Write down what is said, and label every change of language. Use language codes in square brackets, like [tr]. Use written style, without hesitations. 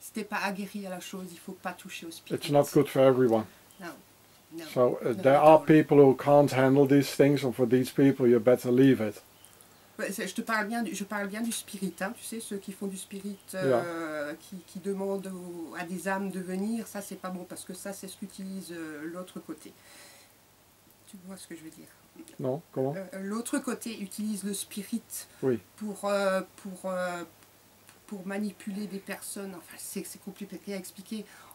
[fr] Pas aguerri à la chose, il faut pas toucher au spirit. [en] It's not good for everyone. No. So there are people who can't handle these things, and for these people, you better leave it. [fr] Je parle bien du spirit, hein. Tu sais, ceux qui font du spirit, qui demandent à des âmes de venir, ça c'est pas bon parce que ça c'est ce qu'utilise l'autre côté. Tu vois ce que je veux dire? Non, comment? L'autre côté utilise le spirit pour manipuler des personnes, enfin c'est compliqué à expliquer.